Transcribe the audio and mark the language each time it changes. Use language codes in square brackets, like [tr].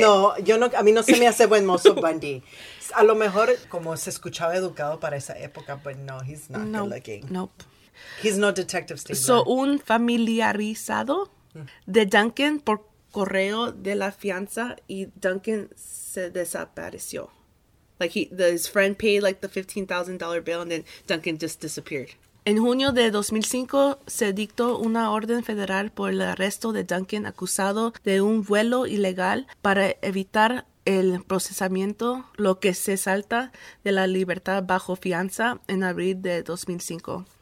[es] No, yo no, a mí no se me hace buen mozo Bundy. A lo mejor como se escuchaba educado para esa época, [en] but no, he's not good looking. Nope. He's no detective Steve. [es] So, un familiarizado de Duncan por correo de la fianza y Duncan se desapareció. [en] Like, his friend paid like the $15,000 bill and then Duncan just disappeared. [es] En junio de 2005, se dictó una orden federal por el arresto de Duncan acusado de un vuelo ilegal para evitar el procesamiento, lo que se salta de la libertad bajo fianza en abril de 2005.